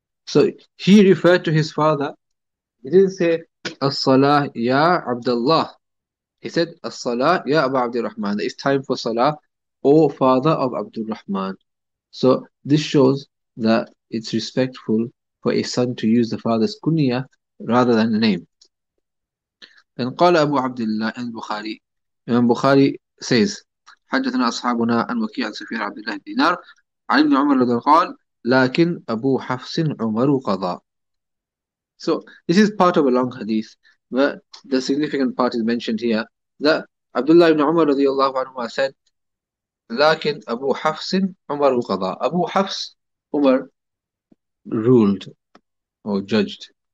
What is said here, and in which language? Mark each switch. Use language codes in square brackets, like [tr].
[en] So he referred to his father. He didn't say As-salah ya Abdullah. He said As-salah ya Abu Abdurrahman. It's time for salah, O father of Abdurrahman. So this shows that it's respectful for a son to use the father's kunya rather than the name. Then qala Abu Abdullah and Bukhari. Imam Bukhari says, [ar] حدثنا أصحابنا عن وكيع عن سفير عبد الله دينار عن ابن عمر رضي قال لكن أبو حفص عمر قضى. [en] So this is part of a long hadith, but the significant part is mentioned here that Abdullah ibn Umar رضي الله عنه said [ar] لكن أبو حفص عمر قضى. [en] Abu Hafs, Umar, ruled or judged.